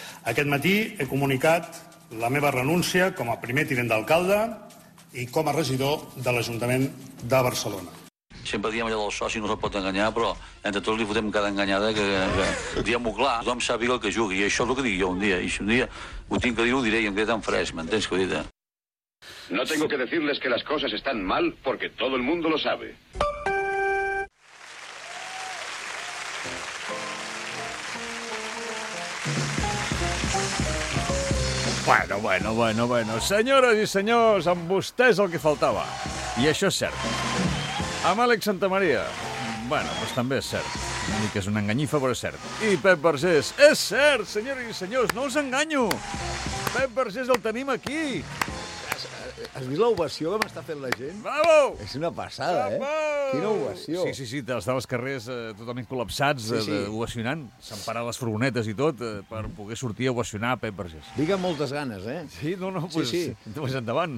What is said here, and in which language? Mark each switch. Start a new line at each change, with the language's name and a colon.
Catalan: Aquest matí he comunicat la meva renúncia com a primer tinent d'alcalde i com a regidor de l'Ajuntament de Barcelona. Sempre diem allò del soci, no se'l pot enganyar, però entre tots li fotem cada enganyada que diem-ho clar, tothom sàpiga el que jugui, i això és el que dic jo un dia, i si un dia ho tinc que dir, ho diré, i em quedo tan fresc, m'entens que ho dic?
Spanish: No tengo que decirles que las cosas están mal porque todo el mundo lo sabe.
Catalan: Bueno, senyores i senyors, amb vostès el que faltava, i això és cert. Amb Àlex Santamaria, bueno, doncs també és cert. No dic que és una enganyifa, però és cert. I Pep Vergés, és cert, senyores i senyors, no us enganyo. Pep Vergés el tenim aquí. Has vist l'ovació que m'està fent la gent? Bravo! És una passada, bravo! Quina ovació! Sí, dels dels carrers totalment col·lapsats, ovacionant, s'han parat les furgonetes i tot per poder sortir a ovacionar Pep Vergés. Vinc amb moltes ganes, eh? Sí, endavant.